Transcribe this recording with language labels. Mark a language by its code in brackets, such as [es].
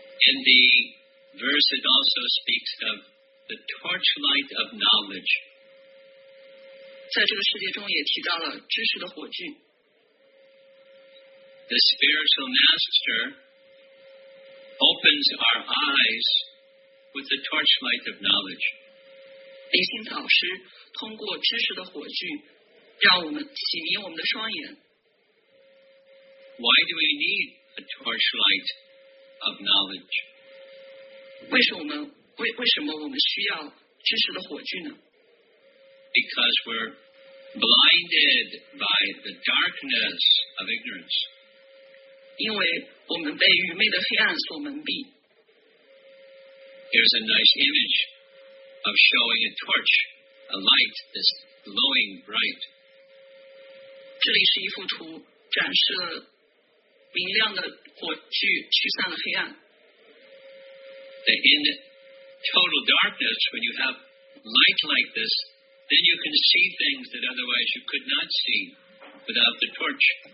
[en] In the verse, it also speaks of the torchlight of knowledge. [zh] 在这个世界中也提到了知识的火炬。 [en] The spiritual master opens our eyes with the torchlight of knowledge. [zh] 灵性导师通过知识的火炬 让我们启明我们的双眼。 [en] Why do we need a torchlight of knowledge. [zh] 为什么我们需要知识的火炬呢? [en] Because we're blinded by the darkness of ignorance. [zh] 因为我们被愚昧的黑暗所蒙蔽。 [en] Here's a nice image of showing a torch, a light that's glowing bright. [zh] 这里是一幅图，展示了明亮的火炬驱散了黑暗。 [en] In total darkness, when you have light like this, then you can see things that otherwise you could not see without the torch.